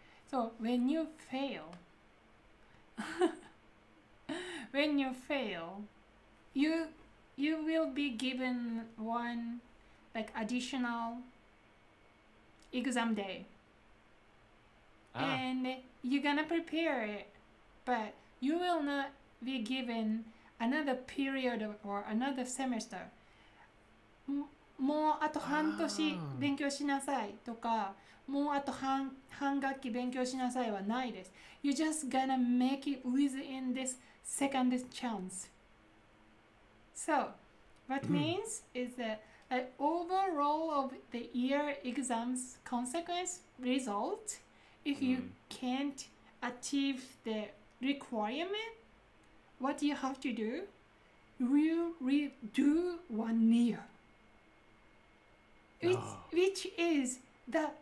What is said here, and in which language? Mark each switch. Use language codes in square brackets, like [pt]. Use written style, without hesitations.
[en] So, when you fail, when you fail, you will be given one like additional exam day. And you're gonna prepare it, but You will not be given another period or another semester. [ja] もうあと半年勉強しなさいとか、もうあと半学期勉強しなさいはないです。 [en] You're just gonna make it within this second chance. So, what means is that an overall of the year exams consequence result, if you can't achieve the requirement, what you have to do, you redo 1 year, which is the